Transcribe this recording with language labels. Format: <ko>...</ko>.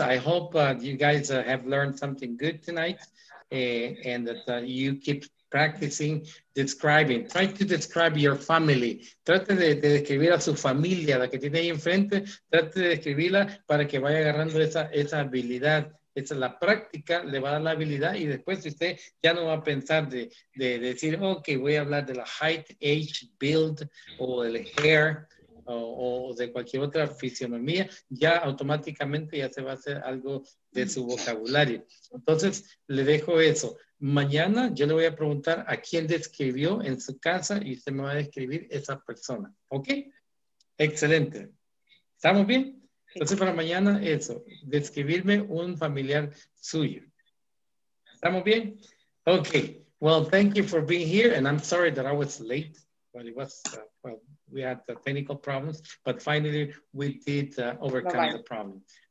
<en>I hope you guys have learned something good tonight and that you keep practicing describing. Try to describe your family.</en> <es>Trate de describir a su familia, la que tiene ahí enfrente. Trate de describirla para que vaya agarrando esa habilidad. Esa es la práctica, le va a dar la habilidad y después usted ya no va a pensar de decir, ok, voy a hablar de la height, age, build, o el hair, o de cualquier otra fisionomía, ya automáticamente ya se va a hacer algo de su vocabulario. Entonces, le dejo eso. Mañana yo le voy a preguntar a quién describió en su casa y usted me va a describir esa persona. ¿Ok? Excelente. ¿Estamos bien? Entonces, para mañana, eso, describirme un familiar suyo. ¿Estamos bien? Okay.</es> <en>Well, thank you for being here, and I'm sorry that I was late. Well, it was, well, we had the technical problems, but finally, we did overcome the problem.</en>